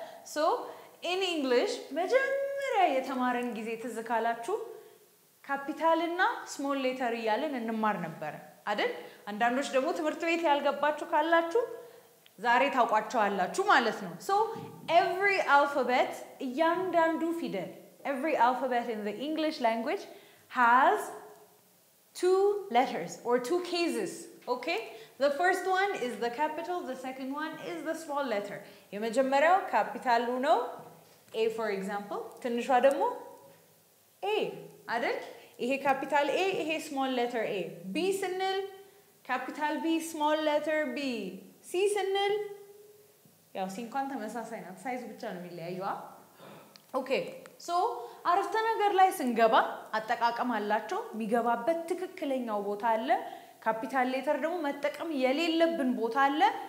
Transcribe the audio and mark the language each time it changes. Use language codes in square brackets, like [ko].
[en] So, in English, [am] መጀመሪያ የተማርን ጊዜ ትዝ ካላችሁ ካፒታልና ስሞል ሌተር ይያልን እንማር ነበር አይደል? አንዳንዶች ደግሞ ትምህርት ቤት ያልገባችሁ ካላችሁ ዛሬ ታውቋቸዋላችሁ ማለት ነው። [en] So, every alphabet, [am] እያንዳንዱ ፊደል, [en] every alphabet in the English language has two letters or two cases, okay? The first one is the capital, the second one is the small letter. [am] የመጀመሪያው ካፒታሉ ነው, A for example. ትንሿ ደግሞ A, አይደል? ይሄ ካፒታል A, ይሄ [en] small letter A. [am] B ስንል ካፒታል B, [en] small letter B. [am] C ስንል ያው C እንኳን ተመሳሳይ ናት, ሳይዝ ብቻ ነው የሚለያየዋ. [en] Okay, so [am] አረፍተ ነገር ላይ ስንገባ አጠቃቀም አላቸው, የሚገባበት ትክክለኛው ቦታ አለ, ካፒታል ሌተር ደግሞ መጠቀም የሌለብን ቦታ አለ.